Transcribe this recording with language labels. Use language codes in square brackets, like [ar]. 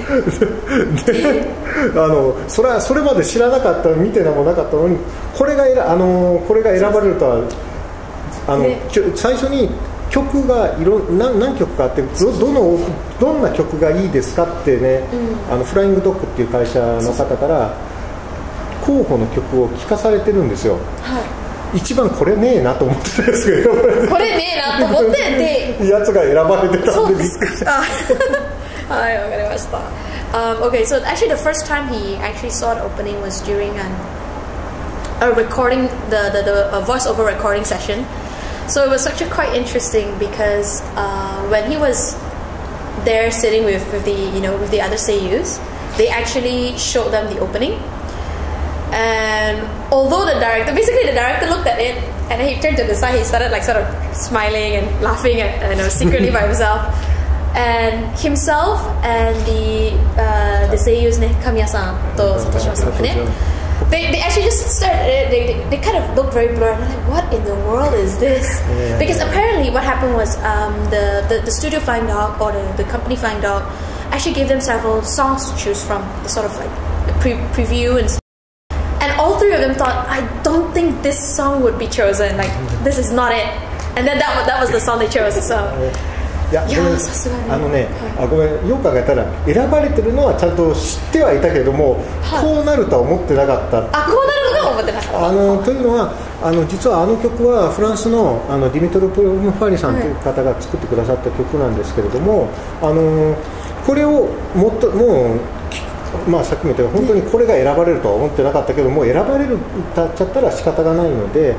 [ja] であの それまで知らなかった、見てのもなかったのに、これが選ばれるとは、あの最初に曲がいろ何曲かあって どんな曲がいいですかってね、うん、あのフライングドッグっていう会社の方から候補の曲を聞かされてるんですよ、はい、一番これねえなと思ってたんですけど、これねえなと思ってでやつが選ばれてたんで、そうですか。はい、わかりました。 [en] Okay, so actually the first time he actually saw the opening was during a recording, the a voiceover recording session. So it was actually quite interesting because when he was there sitting with the, you know, with the other seiyus, they actually showed them the opening. And although the director, basically the director looked at it and then he turned to the side, he started like sort of smiling and laughing at, you know, secretly by himself. And himself and the seiyuu's ne, Kamiya-san to Satoshima-san, they actually just started, they kind of looked very blurred. And I'm like, what in the world is this? Apparently what happened was the studio Flying Dog or the company Flying Dog actually gave them several songs to choose from, the sort of like preview and stuff. And all three of them thought, I don't think this song would be chosen. Like, this is not it. And then that was the song they chose. So. [ja] いや、でもあのね、はい、あ、ごめん、よく考えたら選ばれてるのはちゃんと知ってはいたけども、はい、こうなるとは思ってなかった。あ、こうなるとは思ってなかった。あのというのは、あの実はあの曲はフランス あのディミトル・プロムファリさんという方が作ってくださった曲なんですけれども、はい、あのこれをもっともう、まあ、さっきも言ったように本当にこれが選ばれるとは思ってなかったけど、もう選ばれるっちゃったら仕方がないので。